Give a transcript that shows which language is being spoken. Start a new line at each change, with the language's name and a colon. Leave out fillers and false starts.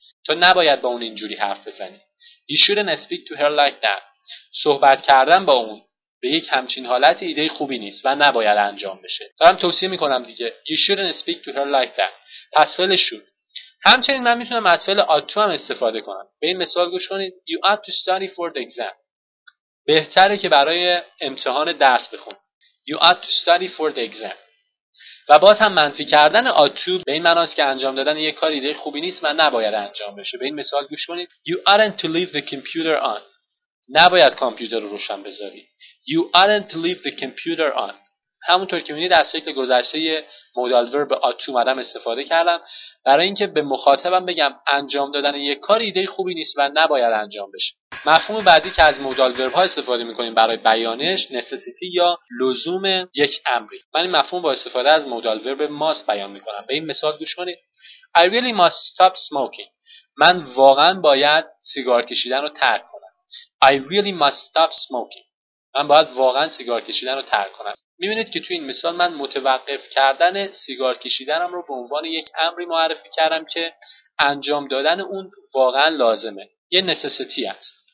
Persian: تو نباید با اون اینجوری حرف بزنی.
English: You shouldn't speak to her like that.
Persian: صحبت کردن با اون به یک همچین حالت ایده خوبی نیست و نباید انجام بشه. دارم توصیه میکنم دیگه.
English: You shouldn't speak to her like that.
Persian: پس فعلش شد. همچنین من میتونم از فعل ought to هم استفاده کنم. به این مثال گوش کنید.
English: You ought to study for the exam.
Persian: بهتره که برای امتحان درس بخون.
English: You ought to study for the exam.
Persian: و باز هم منفی کردن ought to به این معناست که انجام دادن یک کار ایده خوبی نیست و نباید انجام بشه. به این مثال گوش کنید.
English: You oughtn't to leave the computer on.
Persian: نباید کامپیوتر رو روشن بذاری.
English: You oughtn't to leave the computer on.
Persian: همونطور که می‌بینید در شکل گذشته مودال ورب ought to مدام استفاده کردم برای اینکه به مخاطبم بگم انجام دادن یک کار ایده خوبی نیست و نباید انجام بشه. مفهوم بعدی که از مودال ورب ها استفاده می‌کنیم برای بیانش necessity یا لزوم یک امری. من این مفهوم با استفاده از مودال ورب must بیان می‌کنم. به این مثال گوش کنید.
English: I really must stop smoking.
Persian: من واقعاً باید سیگار کشیدن رو ترک کنم.
English: I really must stop smoking.
Persian: من باید واقعاً سیگار کشیدن رو ترک کنم. می‌بینید که تو این مثال من متوقف کردن سیگار کشیدنم رو به عنوان یک امری معرفی کردم که انجام دادن اون واقعاً لازمه. یه necessity است.